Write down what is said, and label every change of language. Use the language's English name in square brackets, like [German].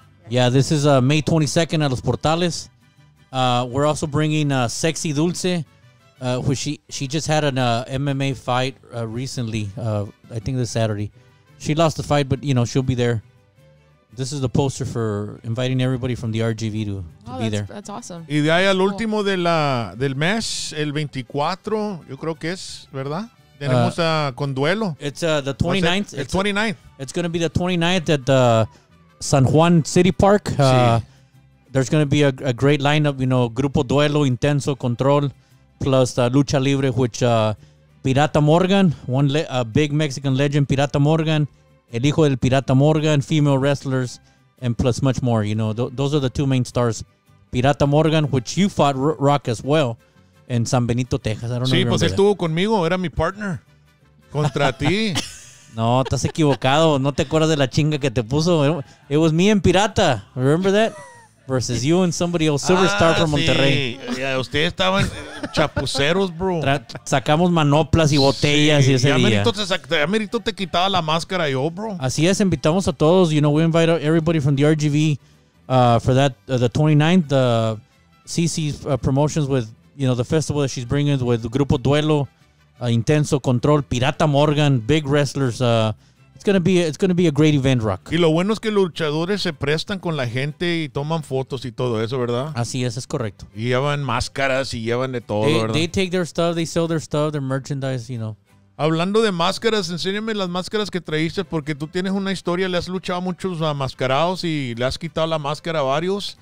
[English] Yeah, this is May 22nd at Los Portales. We're also bringing Sexy Dulce, who she just had an MMA fight recently, I think this Saturday. She lost the fight, but, you know, she'll be there. This is the poster for inviting everybody from the RGV to be there. That's awesome. [Spanish] Y de ahí al último de la, del mes, el 24, yo creo que es, ¿verdad? Tenemos a con duelo. [English] It's the 29th. [Spanish] El 29th. [English] It's going to be the 29th at the San Juan City Park. Sí. There's going to be a great lineup, you know, Grupo Duelo, Intenso, Control, plus Lucha Libre, which Pirata Morgan, a big Mexican legend, Pirata Morgan, El Hijo del Pirata Morgan, female wrestlers, and plus much more. You know, those are the two main stars. Pirata Morgan, which you fought Rock as well, in San Benito, Texas. I don't know. [Spanish] Sí, pues estuvo conmigo. Era mi partner. Contra ti. No, estás equivocado. No te acuerdas de la chinga que te puso. [English] It was me and Pirata. Remember that? Versus you and somebody else. Silverstar from Monterrey. [Spanish] Sí. Yeah, ustedes estaban chapuceros, bro. Sacamos manoplas y botellas sí, y ese día. Ya merito te quitaba la máscara yo, bro. Así es, invitamos a todos. [English] You know, we invite everybody from the RGV for that, the 29th. CC's promotions with, you know, the festival that she's bringing with Grupo Duelo, Intenso Control, Pirata Morgan, big wrestlers. It's gonna be a great event, Rock. [Spanish] Y lo bueno es que los luchadores se prestan con la gente y toman fotos y todo eso, ¿verdad? Así es correcto. Y llevan máscaras y llevan de todo, ¿verdad? [English] They take their stuff, they sell their stuff, their merchandise, you know. [Spanish] Hablando de máscaras, enséñame las máscaras que traíste porque tú tienes una historia, le has luchado a muchos mascarados y le has quitado la máscara a varios.